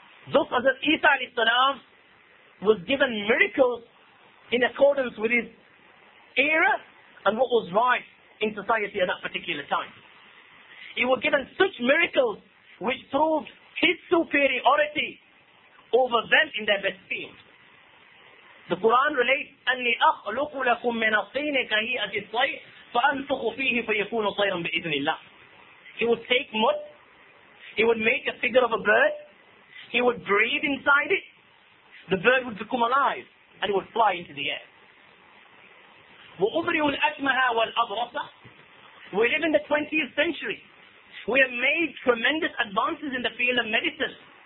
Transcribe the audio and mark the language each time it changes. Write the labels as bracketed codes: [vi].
[en] Thus Hazrat Isa alayhi salam was given miracles in accordance with his era and what was right in society at that particular time. He was given such miracles which proved his superiority over them in their best field. The Quran relates, [ar] أَنِّي أَخْلُقُ لَكُم مِّنَ الطِّينِ كَهَيْئَةِ الطَّيْرِ فَأَنفُخُ فِيهِ فَيَكُونُ طَيْرًا بِإِذْنِ اللَّهِ. [en] He would take mud, he would make a figure of a bird, he would breathe inside it, the bird would become alive, and it would fly into the air. [ar] وَأُبْرِئُ الْأَكْمَهَا وَالْأَبْرَصَ. [en] We live in the 20th century. We have made tremendous advances in the field of medicine.